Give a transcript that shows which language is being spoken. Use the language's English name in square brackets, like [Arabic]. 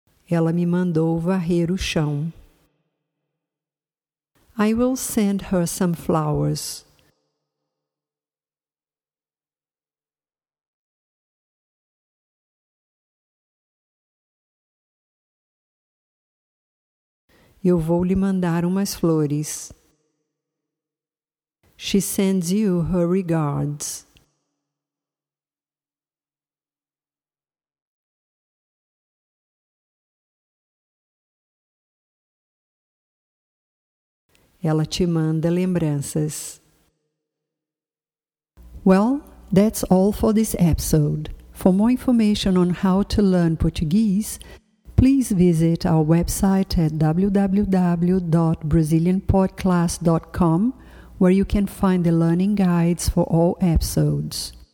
[Portuguese] Ela me mandou varrer o chão. [English] I will send her some flowers. [Portuguese] Eu vou lhe mandar umas flores. [English] She sends you her regards. [Portuguese] Ela te manda lembranças. [English] Well, that's all for this episode. For more information on how to learn Portuguese, please visit our website at www.brazilianpodclass.com, where you can find the learning guides for all episodes.